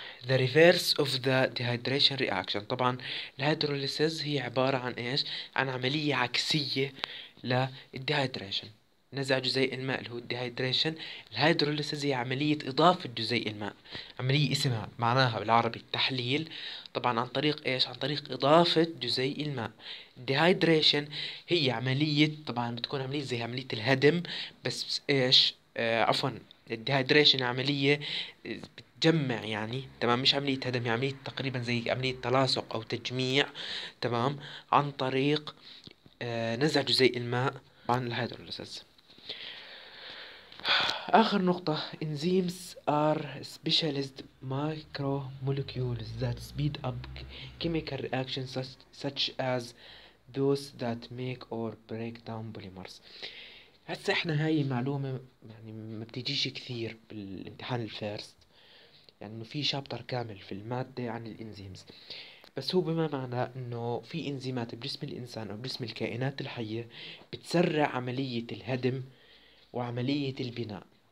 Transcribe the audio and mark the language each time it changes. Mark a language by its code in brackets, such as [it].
[en] the reverse of the dehydration reaction. [ar] طبعا الهيدروليسيس هي عبارة عن إيش؟ عن عملية عكسية للديهايدريشن، نزع جزيء الماء اللي هو الديهايدريشن. الهيدروليسيس هي عملية إضافة جزيء الماء، عملية اسمها معناها بالعربي التحليل، طبعا عن طريق إيش؟ عن طريق إضافة جزيء الماء. الديهايدريشن هي عملية، طبعا بتكون عملية زي عملية الهدم، بس إيش؟ عفوا، الديهايدريشن عملية بتجمع يعني، تمام، مش عملية هدم، هي عملية تقريبا زي عملية تلاصق أو تجميع، تمام، عن طريق نزع جزيء الماء عن الهيدروليسيس. آخر نقطة، [en] enzymes are specialized micromolecules that speed up chemical reactions such as those that make or break down polymers. [ar] هسه احنا هاي معلومة يعني ما بتجيش كثير بالامتحان الفيرست، يعني انه في شابتر كامل في المادة عن الانزيمز، بس هو بما معناه انه في انزيمات بجسم الانسان او بجسم الكائنات الحية بتسرع عملية الهدم وعملية البناء.